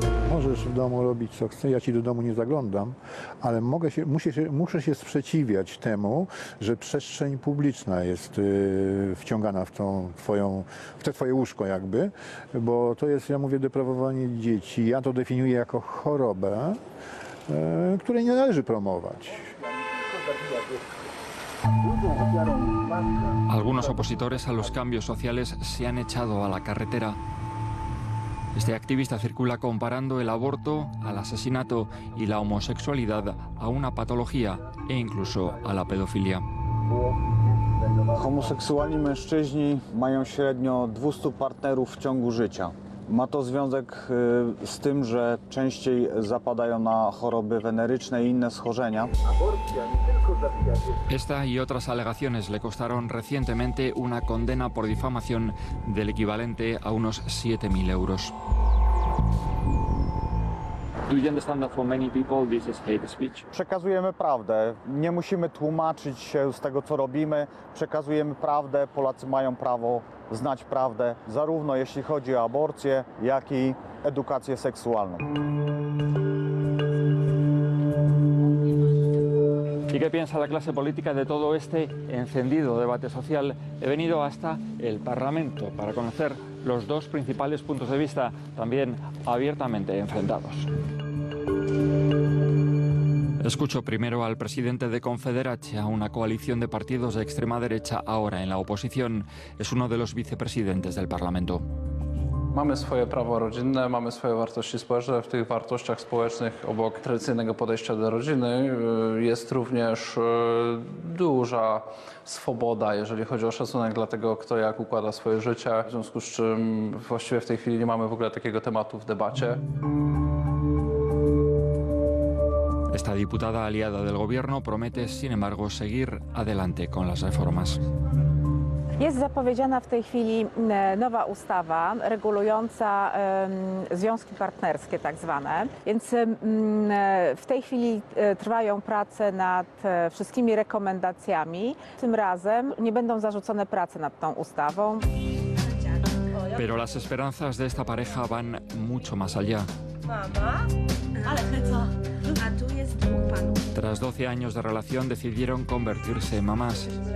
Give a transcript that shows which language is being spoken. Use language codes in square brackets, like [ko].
[pl] Możesz w domu robić co chcesz, ja ci do domu nie zaglądam, ale muszę się sprzeciwiać temu, że przestrzeń publiczna jest wciągana w te twoje łóżko jakby, bo to jest, ja mówię, deprawowanie dzieci. Ja to definiuję jako chorobę, której nie należy promować. [es] Algunos opositores a los cambios sociales se han echado a la carretera. Este activista circula comparando el aborto al asesinato y la homosexualidad a una patología e incluso a la pedofilia. [pl] Homoseksualni mężczyźni mają średnio 200 partnerów w ciągu życia. Ma to związek z tym, że częściej zapadają na choroby weneryczne i inne schorzenia. [es] Esta y otras alegaciones le costaron recientemente una condena por difamación del equivalente a unos 7.000 euros. [en] Do you understand that for many people this is hate speech? [pl] Przekazujemy prawdę. Nie musimy tłumaczyć się z tego, co robimy. Przekazujemy prawdę. Polacy mają prawo znać prawdę, zarówno jeśli chodzi o aborcję, jak i edukację seksualną. [es] ¿Y qué piensa la clase política de todo este encendido debate social? He venido hasta el Parlamento para conocer los dos principales puntos de vista, también abiertamente enfrentados. Escucho primero al presidente de Confederacia, una coalición de partidos de extrema derecha ahora en la oposición. Es uno de los vicepresidentes del Parlamento. [pl] Mamy swoje prawo rodzinne, mamy swoje wartości społeczne. W tych wartościach społecznych obok tradycyjnego podejścia do rodziny jest również duża swoboda, jeżeli chodzi o szacunek dla tego, kto jak układa swoje życie. W związku z czym właściwie w tej chwili nie mamy w ogóle takiego tematu w debacie. [es] Esta diputada aliada del gobierno promete, sin embargo, seguir adelante con las reformas. [pl] Jest zapowiedziana w tej chwili nowa ustawa regulująca związki partnerskie tak zwane, więc w tej chwili trwają prace nad wszystkimi rekomendacjami. Tym razem nie będą zarzucone prace nad tą ustawą. [es] Pero las esperanzas de esta pareja van mucho más allá. [pl] Mama? Ale co? A tu jest dwóch panów. [es] Tras 12 años de relación decidieron convertirse en mamás.